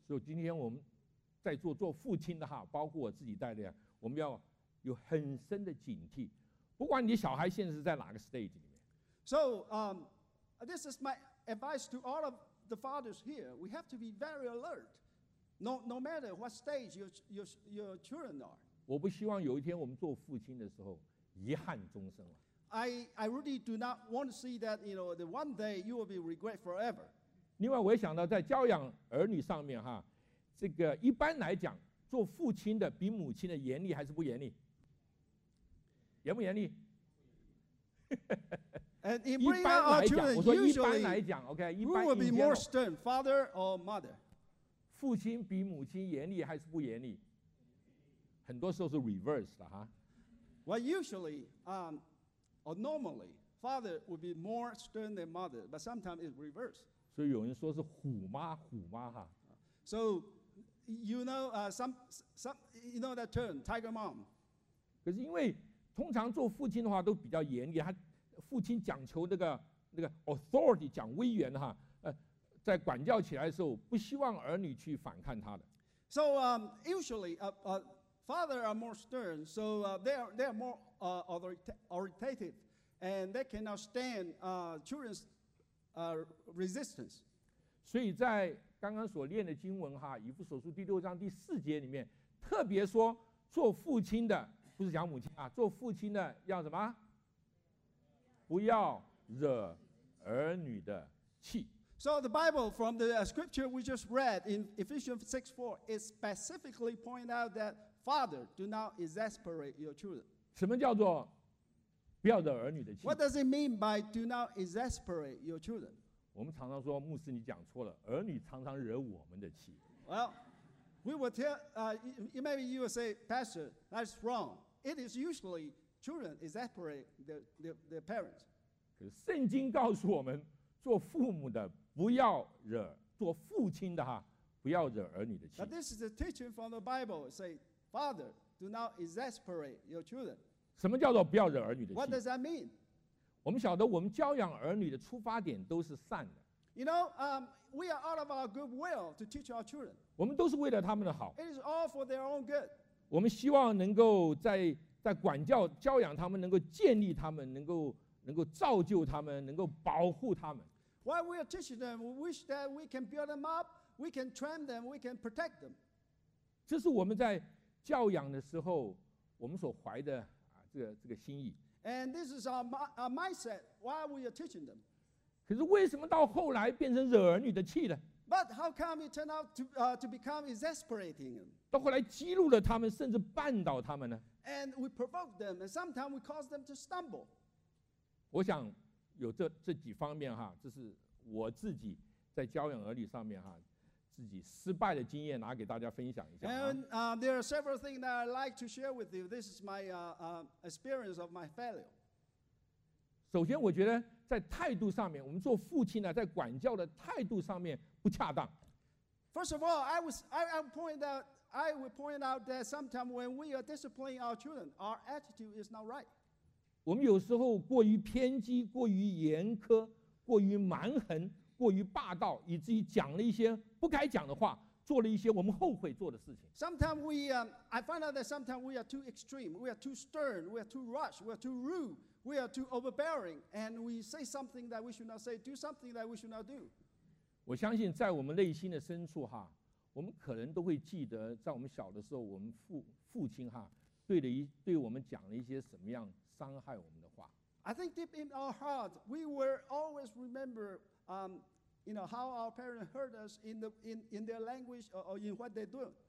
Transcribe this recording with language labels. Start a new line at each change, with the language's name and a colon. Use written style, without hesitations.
Chinese: 所以今天我们在做父亲的哈，包括我自己在内，我们要有很深的警惕。不管你小孩现在是在哪个 stage 里面。
English: So, this is my advice to all of the fathers here. We have to be very alert, no matter what stage your children are.
Chinese: 我不希望有一天我们做父亲的时候遗憾终生了。
English: I really do not want to see that, you know, the one day you will be regret forever.
Chinese: 另外我也想到在教养儿女上面哈，这个一般来讲做父亲的比母亲的严厉还是不严厉？严不严厉？
English: And in bringing our children, usually,
Chinese: 我说一般来讲 OK, 一般
English: who will be more stern, father or mother?
Chinese: 父亲比母亲严厉还是不严厉？很多时候是 reverse 的哈。
English: Well, usually, Or normally, father would be more stern than mother, but sometimes it's reversed.
Chinese: 所以有人说是虎妈，虎妈哈。
English: So, you know, some, you know that term, tiger mom.
Chinese: 可是因为通常做父亲的话都比较严厉，他父亲讲求那个 authority, 讲威严哈，在管教起来的时候，不希望儿女去反抗他的。
English: So, usually, father are more stern, so they are more. Authoritative, and they cannot stand children's resistance.
Chinese: 所以在刚刚所念的经文哈，以弗所书第六章第四节里面，特别说做父亲的不是讲母亲啊，做父亲的要什么？不要惹儿女的气。
English: So the Bible from the scripture we just read in Ephesians 6:4, it specifically points out that father do not exasperate your children.
Chinese: 什么叫做不要惹儿女的气？
English: What does it mean by do not exasperate your children?
Chinese: 我们常常说，牧师你讲错了，儿女常常惹我们的气。
English: Well, we will tell, maybe you will say, Pastor, that's wrong. It is usually children exasperate their parents.
Chinese: 可是圣经告诉我们，做父母的不要惹，做父亲的哈，不要惹儿女的气。
English: But this is a teaching from the Bible. Say, Father. Do not exasperate your children.
Chinese: 什么叫做不要惹儿女的气？
English: What does that mean?
Chinese: 我们晓得我们教养儿女的出发点都是善的。
English: You know, we are out of our goodwill to teach our children.
Chinese: 我们都是为了他们的好。
English: It is all for their own good.
Chinese: 我们希望能够在管教教养他们，能够建立他们，能够造就他们，能够保护他们。
English: While we are teaching them, we wish that we can build them up, we can train them, we can protect them.
Chinese: 这是我们在教养的时候我们所怀的啊这个心意。
English: And this is our mindset while we are teaching them.
Chinese: 可是为什么到后来变成惹儿女的气呢？
English: But how come it turned out to become exasperating?
Chinese: 到后来激怒了他们，甚至绊倒他们呢？
English: And we provoke them, and sometimes we cause them to stumble.
Chinese: 我想有这几方面哈，这是我自己在教养儿女上面哈，自己失败的经验拿给大家分享一下。
English: And there are several things that I'd like to share with you. This is my experience of my failure.
Chinese: 首先，我觉得在态度上面，我们做父亲呢，在管教的态度上面不恰当。
English: First of all, I would point out that sometimes when we are disciplining our children, our attitude is not right.
Chinese: 我们有时候过于偏激，过于严苛，过于蛮横，过于霸道，以至于讲了一些不该讲的话，做了一些我们后悔做的事情。
English: Sometimes I find out that sometimes we are too extreme, we are too stern, we are too rash, we are too rude, we are too overbearing, and we say something that we should not say, do something that we should not do.
Chinese: 我相信在我们内心的深处哈，我们可能都会记得，在我们小的时候，我们父亲哈，对我们讲了一些什么样伤害我们的话。
English: I think deep in our heart, we will always remember, you know, how our parents hurt us in their language or in what they do.